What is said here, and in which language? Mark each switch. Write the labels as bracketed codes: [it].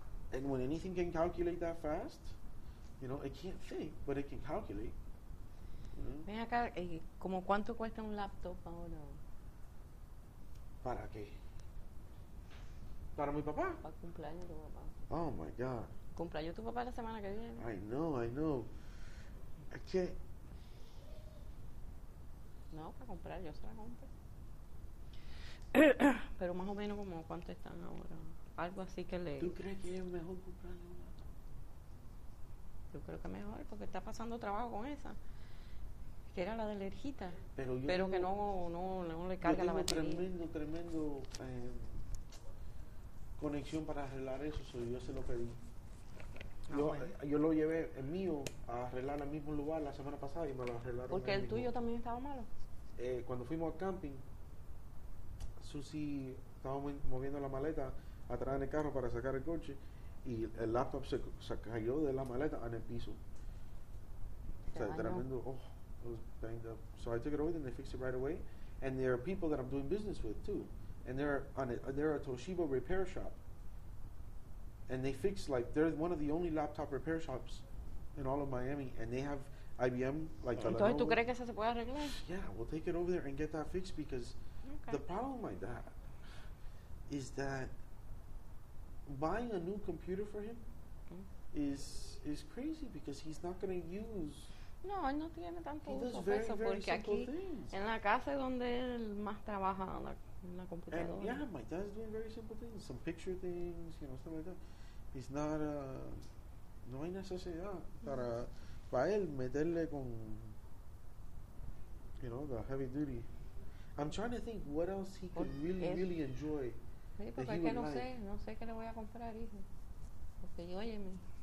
[en] And when anything can calculate that fast, you know, it can't think, but it can calculate. [es] Ven acá, ¿como cuánto cuesta un laptop ahora? ¿Para qué? ¿Para mi papá? Para cumpleaños de tu papá. [en] Oh, my God. [es] ¿Cumpleaños tu papá la semana que viene? [en] I know. [es] Es que... No, para comprar, yo se la compro. Pero más o menos, ¿como cuánto están ahora? Algo así que le... ¿Tú crees que es mejor comprarle un laptop? Yo creo que mejor, porque está pasando trabajo con esa. que era la de la hijita, pero, yo pero tengo, que no le carga la batería. Tremendo conexión para arreglar eso, so yo se lo pedí. Yo lo llevé el mío a arreglar al mismo lugar la semana pasada y me lo arreglaron. ¿Porque el mismo. Tuyo también estaba malo? Cuando fuimos al camping, Susi estaba moviendo la maleta atrás en el carro para sacar el coche y el laptop se cayó de la maleta en el piso. O sea, tremendo. [en] Oh, it was banged up. So I took it over and they fixed it right away. And there are people that I'm doing business with too. And they're a Toshiba repair shop. And they fix, like, they're one of the only laptop repair shops in all of Miami. And they have IBM, like, [es] the Entonces, ¿tú crees que eso se puede arreglar? [en] Yeah, we'll take it over there and get that fixed because okay. The problem like that is that buying a new computer for him is crazy because he's not going to use... [es] No, él no tiene tanto uso de eso porque aquí, en la casa es donde él más trabaja en la computadora. [en] And yeah, my dad's doing very simple things, some picture things, you know, stuff like that. It's not, [es] no hay necesidad para él meterle con, [en] you know, the heavy duty. I'm trying to think what else he could really, really enjoy. [es] Sí, porque es que no sé qué le voy a comprar, hijo. Porque yo, óyeme.